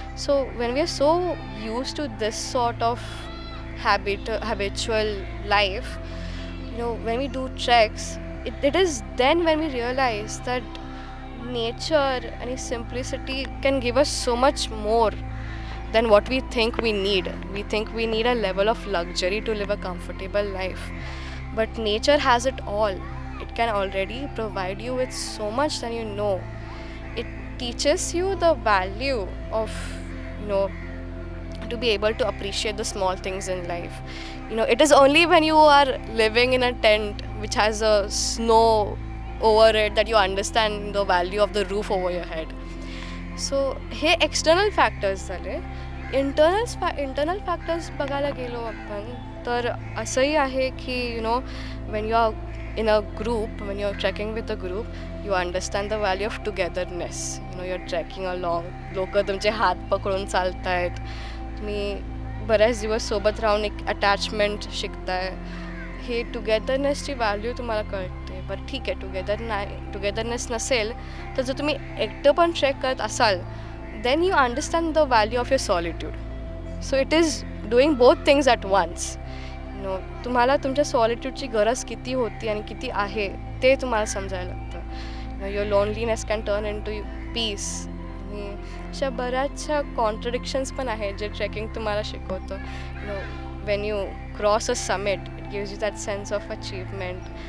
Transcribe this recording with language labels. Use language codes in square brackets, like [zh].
[en] So when we are so used to this sort of habitual life, you know when we do treks, it is then when we realise that nature आणि simplicity can give us so much more than what we think we need. We think we need a level of luxury to live a comfortable life. But nature has it all. It can already provide you with so much than you know. It teaches you the value of, you know, to be able to appreciate the small things in life. You know, it is only when you are living in a tent which has a snow over it that you understand the value of the roof over your head. [mr] So हे external factors झाले. Internal factors बघायला गेलो आपण तर असंही आहे की [en] You know when you are in a group, when you are trekking with a group, you understand the value of togetherness. You know you are trekking along, [mr] लोक तुमचे हात पकडून चालतायत, तुम्ही बऱ्याच दिवस सोबत राहून एक अटॅचमेंट शिकताय, हे टुगेदरनेसची व्हॅल्यू तुम्हाला कळते. बरं ठीक आहे, टुगेदरनेस नसेल तर जर तुम्ही एकटं पण ट्रेक करत असाल [en] then you understand the value of your solitude. So it is doing both things at once. [mr] You know, तुम्हाला तुमच्या सॉलिट्यूडची गरज किती होती आणि किती आहे ते तुम्हाला समजायला लागतं. [en] You know, your loneliness can turn into peace. [mr] आणि अशा बऱ्याचशा कॉन्ट्रडिक्शन्स पण आहेत जे ट्रेकिंग तुम्हाला शिकवतं. [en] You know, when you cross a summit, it gives you that sense of achievement.